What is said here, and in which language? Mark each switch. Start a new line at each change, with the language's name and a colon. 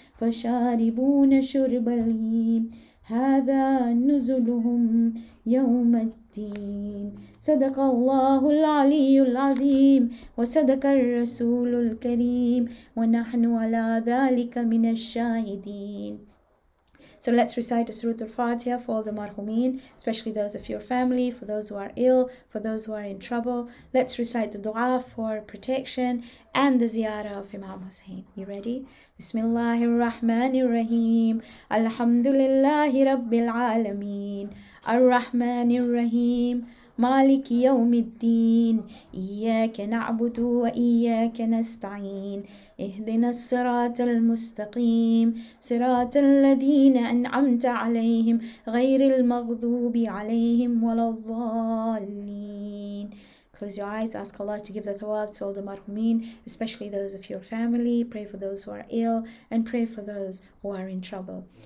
Arabic: فشاربون شرب الهيم هذا نزلهم يوم الدين صدق الله العلي العظيم وصدق الرسول الكريم ونحن على ذلك من الشاهدين.
English: So let's recite the Surah Al-Fatiha for all the marhumin, especially those of your family, for those who are ill, for those who are in trouble. Let's recite the dua for protection and the ziyara of Imam Hussein. You ready?
Arabic: Bismillahirrahmanirrahim. Alhamdulillahi Rabbil Alameen. Ar-Rahmanirrahim. مالك يوم الدين إياك نعبد وإياك نستعين اهدنا الصراط المستقيم صراط الذين أنعمت عليهم غير المغضوب عليهم ولا الضالين.
English: Close your eyes, ask Allah to give the thawab to all the marhumin, especially those of your family. Pray for those who are ill and pray for those who are in trouble.